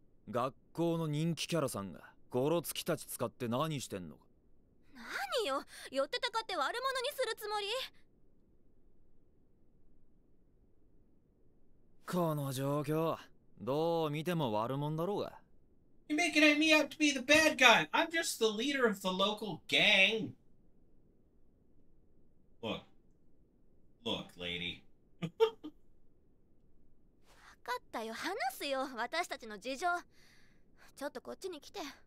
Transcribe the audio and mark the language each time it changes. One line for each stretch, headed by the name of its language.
Japanese: 学校の人気キャラさんがゴロツキたち使って何してんのか。何よ、寄ってたかって悪者にするつもり？この状況、どう見ても悪者だろうが。
English: You're making me out to be the bad guy. I'm just the leader of the local gang. Look. Look, lady.
Japanese: わかったよ、話すよ、私たちの事情。ちょっとこっちに来て。